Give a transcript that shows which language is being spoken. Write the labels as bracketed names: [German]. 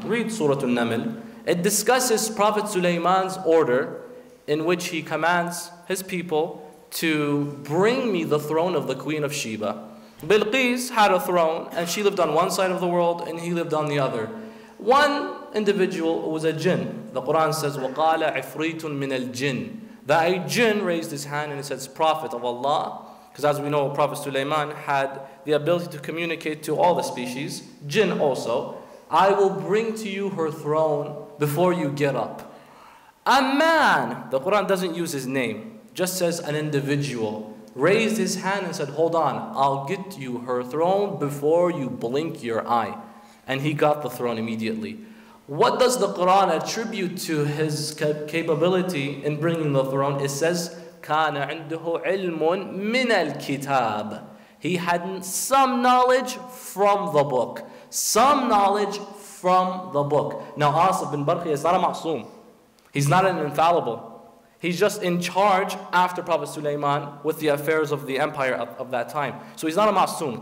[English] Read Surah An-Naml. It discusses Prophet Sulaiman's order in which he commands his people to bring me the throne of the Queen of Sheba. Bilqis had a throne and she lived on one side of the world and he lived on the other. One individual was a jinn. The Quran says, [Arabic] وَقَالَ عِفْرِيتٌ مِنَ الْجِنِّ. [English] That a jinn raised his hand and he says, Prophet of Allah, because as we know, Prophet Sulaiman had the ability to communicate to all the species, jinn also, I will bring to you her throne before you get up. A man, the Quran doesn't use his name, just says an individual, raised his hand and said, hold on, I'll get you her throne before you blink your eye. And he got the throne immediately. What does the Quran attribute to his capability in bringing the throne? It says, [Arabic] كَانَ عِنْدُهُ عِلْمٌ مِنَ الْكِتَابِ. [English] He had some knowledge from the book. Some knowledge from the book. Now, Asif bin Barkhiyah is not a ma'soom. He's not an infallible. He's just in charge after Prophet Sulaiman with the affairs of the empire of that time. So he's not a ma'soom.